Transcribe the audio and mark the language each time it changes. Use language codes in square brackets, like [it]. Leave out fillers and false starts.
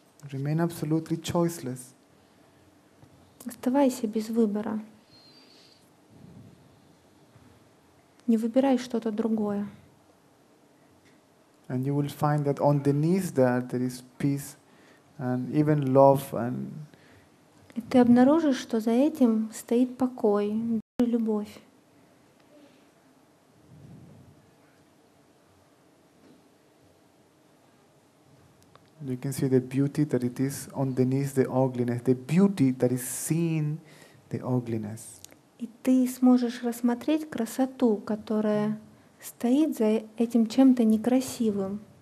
[en] Remain absolutely choiceless. [ru] Оставайся без выбора. Не выбирай что-то другое. [en] And you will find that underneath that there is peace and even love and. [ru] И ты обнаружишь, что за этим стоит покой, даже любовь. [en] You can see the beauty that it is underneath the ugliness, the beauty that is seen the ugliness. [ru] И ты сможешь рассмотреть красоту, которая стоит за этим чем-то некрасивым.